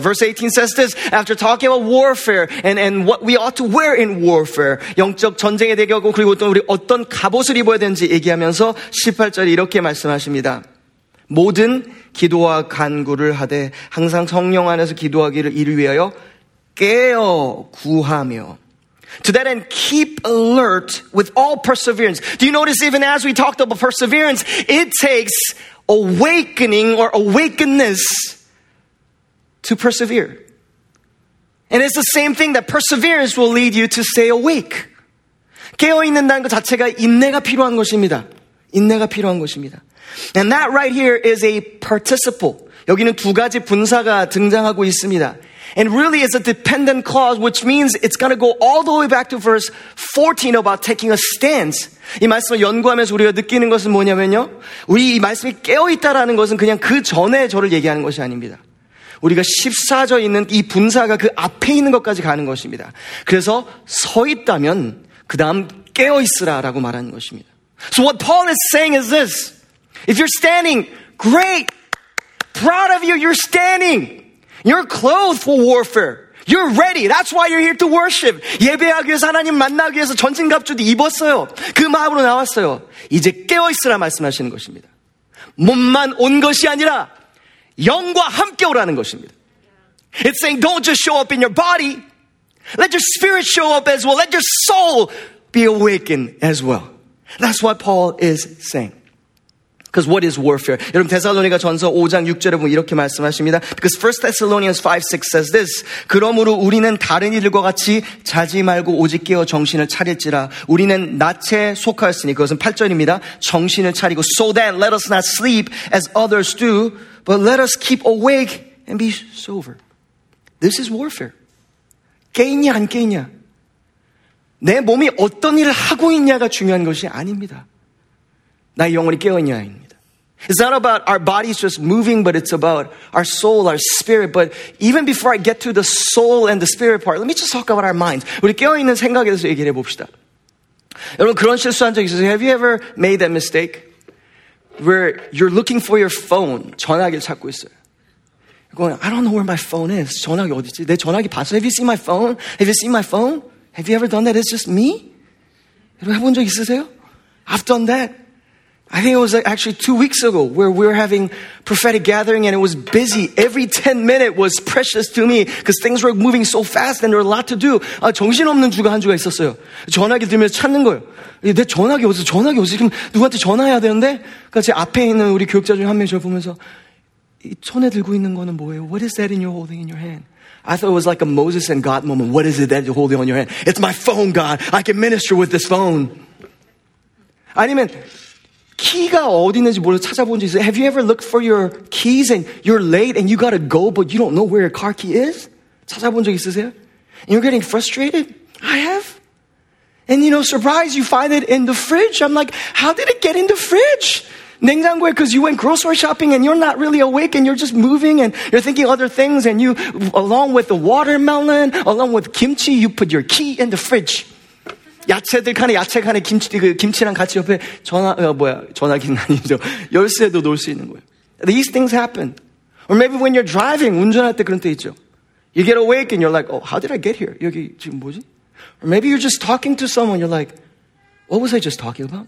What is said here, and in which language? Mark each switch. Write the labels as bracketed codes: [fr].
[en] Verse 18 says this. After talking about warfare and what we ought to wear in warfare, [ko] 영적 전쟁에 대하고 그리고 또 우리 어떤 갑옷을 입어야 되는지 얘기하면서 18절에 이렇게 말씀하십니다. 모든 기도와 간구를 하되 항상 성령 안에서 기도하기를 이를 위하여 깨어 구하며. [en] To that end, keep alert with all perseverance. Do you notice even as we talked about perseverance, it takes awakening or awakeness to persevere. And it's the same thing that perseverance will lead you to stay awake. [ko] 깨어있는다는 것 자체가 인내가 필요한 것입니다. 인내가 필요한 것입니다. [en] And that right here is a participle. [ko] 여기는 두 가지 분사가 등장하고 있습니다. [en] And really it's a dependent clause, which means it's going to go all the way back to verse 14 about taking a stance. [ko] 이 말씀을 연구하면서 우리가 느끼는 것은 뭐냐면요. 우리 이 말씀이 깨어있다라는 것은 그냥 그 전에 저를 얘기하는 것이 아닙니다. 우리가 14절 있는 이 분사가 그 앞에 있는 것까지 가는 것입니다. 그래서 서 있다면 그 다음 깨어있으라라고 말하는 것입니다. [en] So what Paul is saying is this. If you're standing, great. Proud of you, you're standing. You're clothed for warfare. You're ready. That's why you're here to worship. [ko] 예배하기 위해서 하나님 만나기 위해서 전신갑주도 입었어요. 그 마음으로 나왔어요. 이제 깨어있으라 말씀하시는 것입니다. 몸만 온 것이 아니라 영과 함께 오라는 것입니다. [en] It's saying don't just show up in your body. Let your spirit show up as well. Let your soul be awakened as well. That's what Paul is saying. Because what is warfare? [ko] 여러분, 데살로니가 전서 5장 6절에 보면 이렇게 말씀하십니다. [en] Because 1 Thessalonians 5, 6 says this. [ko] 그러므로 우리는 다른 이들과 같이 자지 말고 오직 깨어 정신을 차릴지라. 우리는 낮에 속하였으니, 그것은 8절입니다. 정신을 차리고. [en] So then, let us not sleep as others do, but let us keep awake and be sober. This is warfare. [ko] 깨있냐, 안 깨있냐? 내 몸이 어떤 일을 하고 있냐가 중요한 것이 아닙니다. 나의 영혼이 깨어있냐입니다. [en] It's not about our bodies just moving, but it's about our soul, our spirit. But even before I get to the soul and the spirit part, let me just talk about our minds. [ko] 우리 깨어있는 생각에 대해서 얘기를 해봅시다. 여러분, 그런 실수한 적 있으세요? [en] Have you ever made that mistake? Where you're looking for your phone, [ko] 전화기를 찾고 있어요. [en] You're going, I don't know where my phone is. [ko] 전화기 어디 있지? 내 전화기 봤어? [en] Have you seen my phone? Have you seen my phone? Have you ever done that? It's just me? [ko] 여러분, 해본 적 있으세요? [en] I've done that. I think it was actually 2 weeks ago where we were having prophetic gathering and it was busy. Every 10 minutes was precious to me because things were moving so fast and there were a lot to do. [ko] 아, 정신없는 주가 한 주가 있었어요. 전화기 들면서 찾는 거예요. 내 전화기 어디서 전화기 어디서 지금 누구한테 전화해야 되는데? 그러니까 제 앞에 있는 우리 교육자 중에 한 명이 저를 보면서 이 손에 들고 있는 거는 뭐예요? [en] What is that in your holding in your hand? I thought it was like a Moses and God moment. What is it that you're holding on your hand? It's my phone, God. I can minister with this phone. [ko] 아니면 키가 어디 있는지 몰라 찾아본 적 있어요? [en] Have you ever looked for your keys and you're late and you gotta go but you don't know where your car key is? [ko] 찾아본 적 있으세요? [en] And you're getting frustrated? I have. And you know, surprise, you find it in the fridge. I'm like, how did it get in the fridge? [ko] 냉장고에 [en] because you went grocery shopping and you're not really awake and you're just moving and you're thinking other things and you, along with the watermelon, along with kimchi, you put your key in the fridge. [ko] 야채들 간에 야채 간에 김치 그 김치랑 같이 옆에 전화 뭐야 전화기는 아니죠 열쇠도 놓을 수 있는 거예요. [en] These things happen. Or maybe when you're driving, [ko] 운전할 때 그런 때 있죠. [en] You get awake and you're like, oh, how did I get here? [ko] 여기 지금 뭐지? [en] Or maybe you're just talking to someone. You're like, what was I just talking about?